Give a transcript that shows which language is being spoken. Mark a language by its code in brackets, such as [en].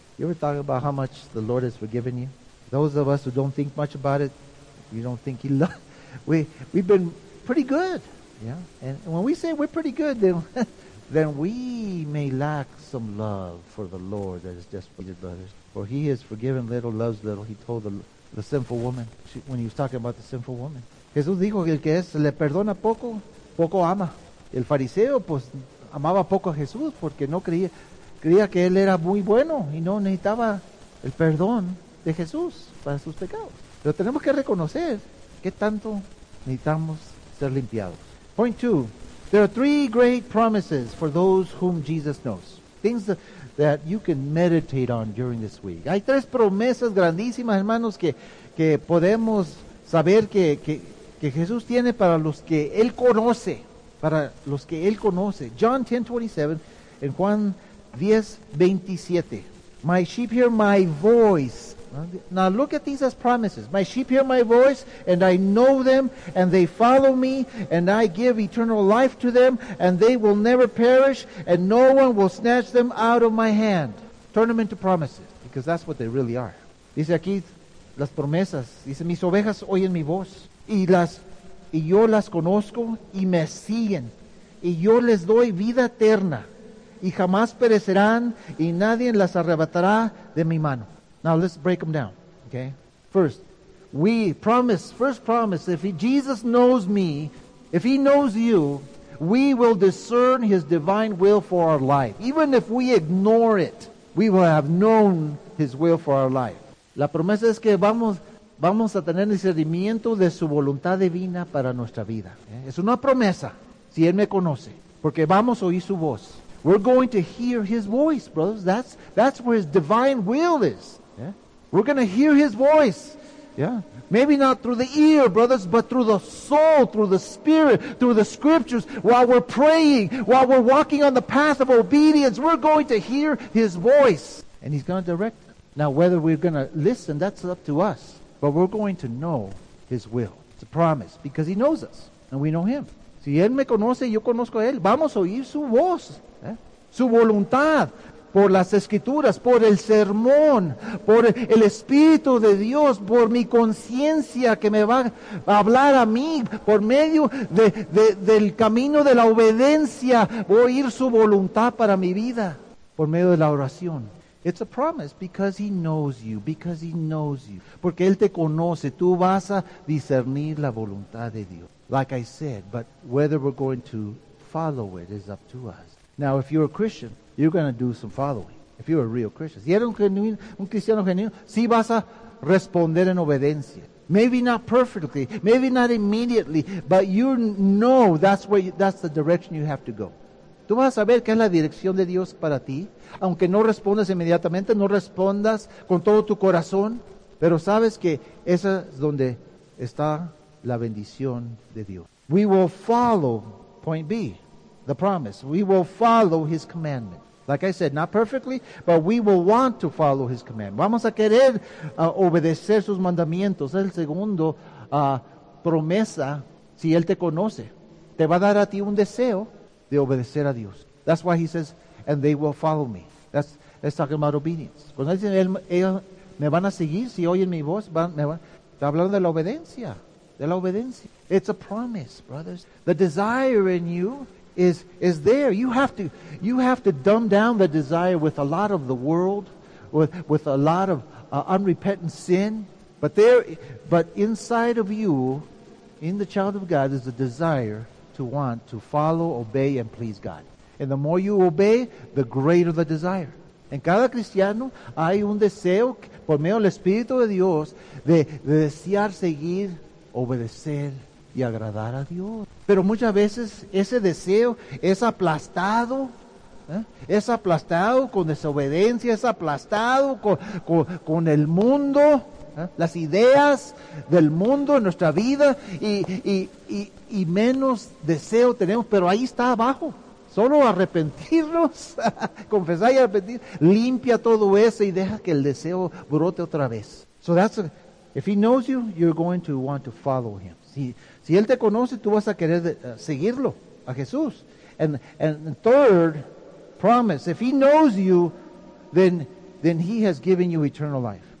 [en] You ever thought about how much the Lord has forgiven you? Those of us who don't think much about it, you don't think He loves. We've been pretty good. Yeah. And when we say we're pretty good, then we may lack some love for the Lord that is desperate, brothers. For He is forgiven little, loves little. He told the sinful woman, when He was talking about the sinful woman. [es] Jesús dijo que el que es, le perdona poco, poco ama. El fariseo, pues, amaba poco a Jesús porque no creía, creía que Él era muy bueno y no necesitaba el perdón de Jesús para sus pecados. Pero tenemos que reconocer que tanto necesitamos ser limpiados. [en] Point two. There are three great promises for those whom Jesus knows. Things that you can meditate on during this week. [es] Hay tres promesas grandísimas, hermanos, que podemos saber que Jesús tiene para los que Él conoce. Para los que Él conoce. [en] John 10:27 and [es] Juan 10:27. [en] My sheep hear my voice. Now look at these as promises. My sheep hear my voice, and I know them, and they follow me, and I give eternal life to them, and they will never perish, and no one will snatch them out of my hand. Turn them into promises, because that's what they really are. [es] Dice aquí las promesas. Dice, mis ovejas oyen mi voz, y yo las conozco, y me siguen, y yo les doy vida eterna, y jamás perecerán, y nadie las arrebatará de mi mano. [en] Now let's break them down, okay? First promise, if Jesus knows me, if He knows you, we will discern His divine will for our life. Even if we ignore it, we will have known His will for our life. [es] La promesa es que vamos a tener discernimiento de su voluntad divina para nuestra vida. ¿Eh? Es una promesa, si Él me conoce, porque vamos a oír su voz. [en] We're going to hear His voice, brothers. That's where His divine will is. We're going to hear His voice. Yeah. Maybe not through the ear, brothers, but through the soul, through the spirit, through the scriptures. While we're praying, while we're walking on the path of obedience, we're going to hear His voice. And He's going to direct them. Now, whether we're going to listen, that's up to us. But we're going to know His will. It's a promise. Because He knows us. And we know Him. [es] Si Él me conoce, yo conozco a Él. Vamos a oír su voz. ¿Eh? Su voluntad. Por las escrituras, por el sermón, por el Espíritu de Dios, por mi conciencia que me va a hablar a mí, por medio del camino de la obediencia, voy a oír su voluntad para mi vida, por medio de la oración. [en] It's a promise because He knows you, because He knows you. [es] Porque Él te conoce, tú vas a discernir la voluntad de Dios. [en] Like I said, but whether we're going to follow it is up to us. Now, if you're a Christian, you're going to do some following. If you're a real Christian. [es] Si eres un cristiano genuino, sí vas a responder en obediencia. [en] Maybe not perfectly. Maybe not immediately. But you know that's the direction you have to go. [es] Tú vas a saber qué es la dirección de Dios para ti. Aunque no respondas inmediatamente, no respondas con todo tu corazón. Pero sabes que esa es donde está la bendición de Dios. [en] We will follow point B. The promise. We will follow His commandment. Like I said, not perfectly, but we will want to follow His commandment. [es] Vamos a querer obedecer sus mandamientos. Es el segundo promesa. Si Él te conoce, te va a dar a ti un deseo de obedecer a Dios. [en] That's why He says, and they will follow me. That's talking about obedience. [es] Cuando dicen, ellos me van a seguir, si oyen mi voz, está hablando de la obediencia. De la obediencia. [en] It's a promise, brothers. The desire in you is there. You have to dumb down the desire with a lot of the world, with a lot of unrepentant sin. But inside of you, in the child of God, is a desire to want to follow, obey, and please God. And the more you obey, the greater the desire. [es] En cada cristiano hay un deseo por medio del Espíritu de Dios de desear seguir, obedecer y agradar a Dios. Pero muchas veces ese deseo es aplastado, ¿eh? Es aplastado con desobediencia, es aplastado con el mundo, ¿eh? Las ideas del mundo en nuestra vida y menos deseo tenemos, pero ahí está abajo. Solo arrepentirnos, confesar y arrepentir, limpia todo eso y deja que el deseo brote otra vez. [en] So that's, if He knows you, you're going to want to follow Him. [es] Si Él te conoce, tú vas a querer seguirlo, a Jesús. [en] And third, promise, if He knows you, then He has given you eternal life.